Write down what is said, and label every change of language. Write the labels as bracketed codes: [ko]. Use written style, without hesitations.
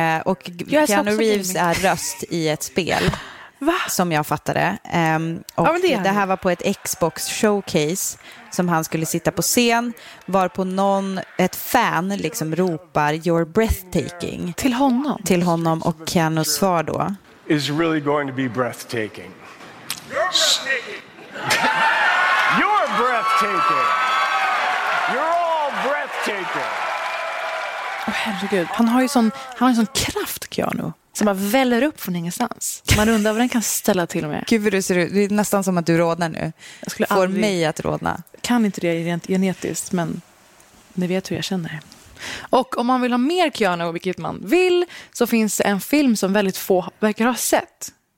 [sv] Och Keanu Reeves är röst i ett spel. Va? Som jag fattade. Och ja, det här var på ett Xbox showcase som han skulle sitta på scen, var på någon, ett fan liksom ropar [en] "You're breathtaking" [sv] till honom och Keanu svar då [en] "Is really going to be breathtaking." You're breathtaking. You're all breathtaking. [sv] Oh, herregud, han har ju sån kraft, Keanu, som bara väller upp från ingenstans. Man undrar vad den kan ställa till med. Gud, du ser, det är nästan som att du rodnar nu. Jag skulle får aldrig, mig att rodna. Kan inte det rent genetiskt, men ni vet hur jag känner. Och om man vill ha mer Keanu, vilket man vill, så finns det en film som väldigt få verkar ha sett.